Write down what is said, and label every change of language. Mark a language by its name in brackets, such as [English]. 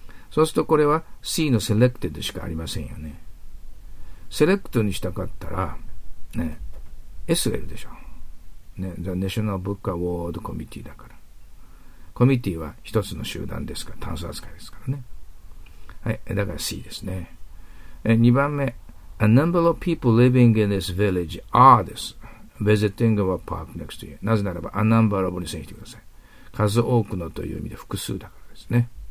[Japanese] そうするとこれは C の selected しかありませんよね。select にしたかったら、ね、SL でしょ。ね、 [English] The National Book Award Committee [Japanese] だから。コミティは一つの集団ですから、単数扱いですからね。はい、だから C ですね。2番目。 [English] A number of people living in this village are this, visiting our park next year. [Japanese] なぜならば、 [English] a number of [Japanese] にしてください。数多くのという意味で複数だからですね。